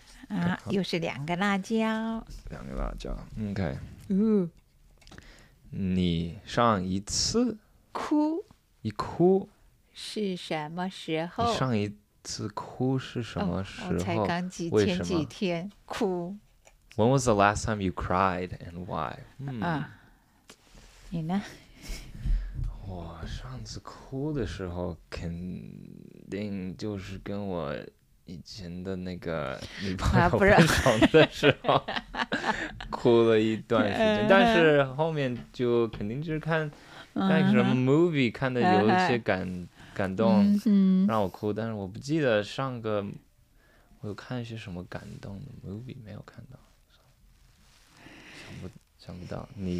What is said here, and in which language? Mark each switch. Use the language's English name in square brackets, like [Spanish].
[Chinese] okay, 又是两个辣椒两个辣椒 OK、哦、你上一次哭是什么时候你上一次哭是什么时候？才刚前几天哭。 [English] When was the last time you cried and why？ [Chinese] 你呢？我上次哭的时候，肯定就是跟我以前的那个女朋友分手的时候哭了一段时间，但是后面就肯定就是看什么 movie 看的有一些感动让我哭，但是我不记得上个我有看一些什么感动的 movie 没有看到，想不到你